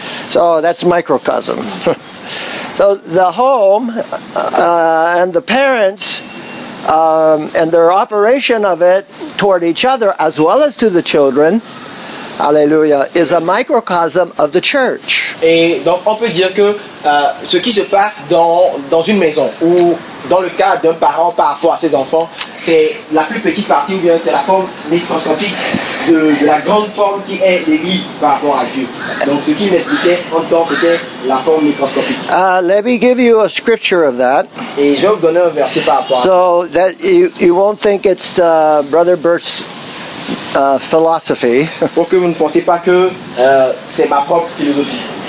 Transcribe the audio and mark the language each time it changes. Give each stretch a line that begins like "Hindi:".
English: So that's microcosm. So the home and the parents. And their operation of it toward each other as well as to the children, alléluia, is a microcosm of the church.
French: Et donc on peut dire que ce qui se passe dans une maison ou dans le cas d'un parent par rapport à ses enfants, c'est la plus petite partie ou bien c'est la forme microscopique de la grande forme qui est l'Église par rapport à Dieu. Donc ce qui m'expliquait en tant que c'était la forme microscopique.
English: Let me give you a scripture of that.
French: Et je vais vous donner un verset par rapport à
English: ça. So that you won't think it's Brother Bert's philosophy.
French: Pour que vous ne pensiez pas que c'est ma propre philosophie.